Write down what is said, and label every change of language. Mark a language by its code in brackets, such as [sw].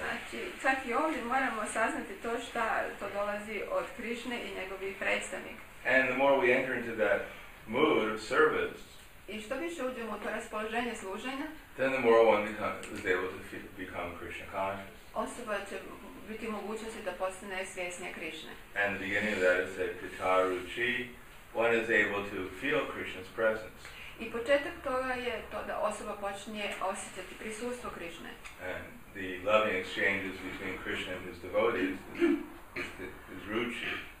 [hr] Znači, čak i ovdje moramo saznati to šta to dolazi od Krišne i njegovih predstavnika. [en] And the more we enter into that mood of service, [hr] i što više uđemo u to raspoloženje služenja, [en] then the more one is able to become Krishna conscious. [hr] Osoba će biti mogućnosti da postane svjesnija Krišne. [en] And the beginning of that is that Kataruchi, one is able to feel Krishna's presence. [hr] I početak toga je to da osoba počinje osjećati prisustvo Krišne. [en] And the loving exchanges between Krishna and his devotees is ruchi.